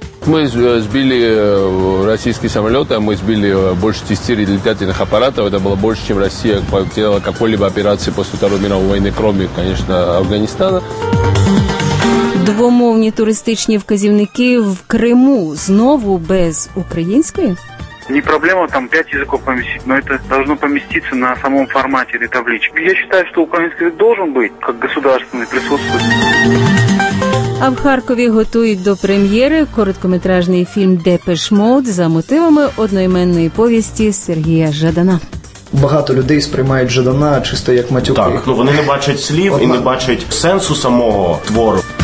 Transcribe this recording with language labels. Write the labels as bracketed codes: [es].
[uk] Ми збили російські самоліти, ми збили більше 10 літальних апаратів, це було більше, ніж Росія зробила якої-либо операції після Другої світової війни, крім, звісно, Афганістану. Двомовні туристичні вказівники в Криму знову без української? [ru] Не проблема там 5 языков поместить, но это должно поместиться на самом формате этой таблички. Я считаю, что украинский язык должен быть, как государственный присутствует. [uk] А в Харкові готують до прем'єри короткометражний фільм «Депеш Мод» за мотивами одноіменної повісті Сергія Жадана. Багато людей сприймають Жадана чисто як матюки. Так, ну вони не бачать слів і не бачать сенсу самого твору.